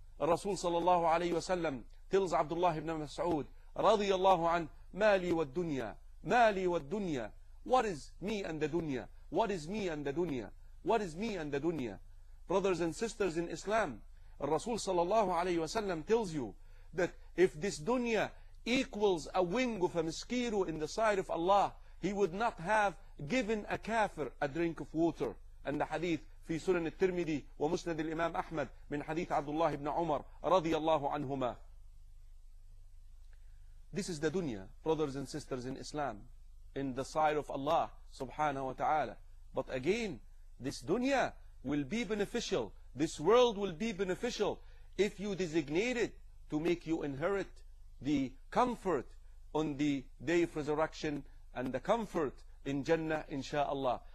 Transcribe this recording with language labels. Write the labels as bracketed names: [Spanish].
[English] Rasul sallallahu alayhi wa sallam tells Abdullah ibn Mas'ud radiyallahu an, [Arabic] mali wa dunya, mali wa dunya, [English] what is me and the dunya, what is me and the dunya, what is me and the dunya. Brothers and sisters in Islam, Rasul sallallahu alayhi wa sallam tells you that if this dunya equals a wing of a mosquito in the sight of Allah, he would not have given a kafir a drink of water. And the hadith [Arabic] في سنن الترمذي ومسند الإمام أحمد من حديث عبد الله بن عمر رضي الله عنهما. [English] This is the dunya, brothers and sisters in Islam, in the sight of Allah subhanahu wa ta'ala. But again, this dunya will be beneficial, this world will be beneficial if you designate it to make you inherit the comfort on the day of resurrection and the comfort in Jannah insha'Allah.